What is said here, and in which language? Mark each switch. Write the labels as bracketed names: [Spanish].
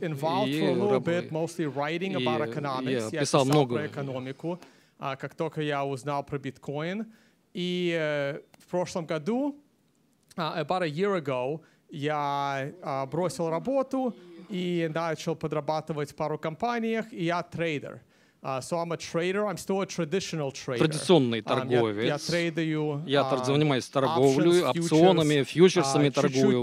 [Russian] Я писал много про экономику. Как только я узнал про биткоин. И в прошлом году, [English] about a year ago, [Russian] я бросил работу и начал подрабатывать в пару компаниях, и я трейдер. [English] So I'm a trader, I'm still a traditional trader. [Russian] Традиционный торговец. Я трейдаю, занимаюсь торговлей, опционами, фьючерсами торгую.